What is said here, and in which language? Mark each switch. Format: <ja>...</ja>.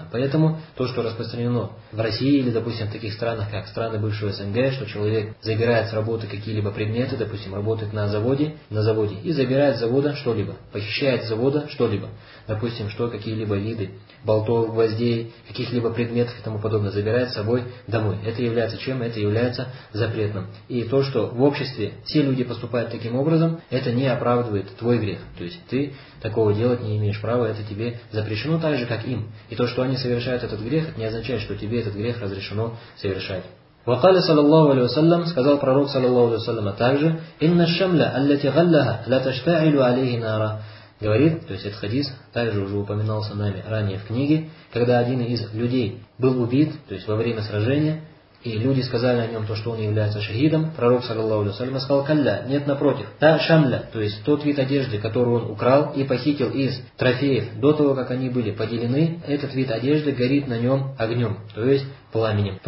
<ru>Поэтому то, что распространено в России или, допустим, в таких странах, как страны бывшего СНГ, что человек забирает с работы какие-либо предметы, допустим, работает на заводе и забирает с завода что-либо, похищает с завода что-либо, допустим, что какие-либо виды болтов, гвоздей, каких-либо предметов и тому подобное забирает с собой домой. Это является чем? Это является запретным. И то, что в обществе все люди поступают таким образом, это не оправдывает твой грех. То есть ты такого делать не имеешь права, это тебе запрещено так же, как им. И то, что они совершают этот грех, это не означает, что тебе этот грех разрешено совершать.</ru> <ar>وقال صلى الله عليه وسلم</ar> <ru>сказал пророк</ru> <ar>صلى الله عليه وسلم</ar> <ru>также</ru> <ar>إن الشملة التي غلها لا تشتعل عليه نارا</ar> <ru>говорит, то есть этот хадис также уже упоминался нами ранее в книге, когда один из людей был убит, то есть во время сражения, и люди сказали о нем то, что он является шахидом, пророк</ru> <ar>саллаллаху алейхи ва саллям</ar> <ru>сказал калля, нет, напротив, та шамля, то есть тот вид одежды, который он украл и похитил из трофеев до того, как они были поделены, этот вид одежды горит на нем огнем, то есть пламенем.</ru>